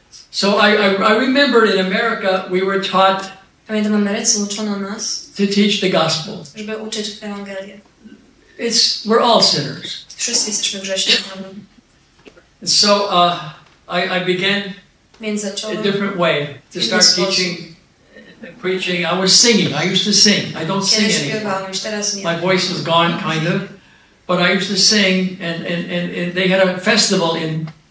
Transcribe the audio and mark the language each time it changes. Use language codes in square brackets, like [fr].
[en] So I remember in America we were taught. [pl] Pamiętam, w Ameryce uczono nas, [en] to teach the gospel. [pl] Żeby uczyć Ewangelię. [en] We're all sinners. [pl] Wszyscy jesteśmy grzesznikami. [en] So I began a different way to start preaching. I was singing. I used to sing. I don't sing anymore. My voice is gone, kind of. But I used to sing, and they had a festival in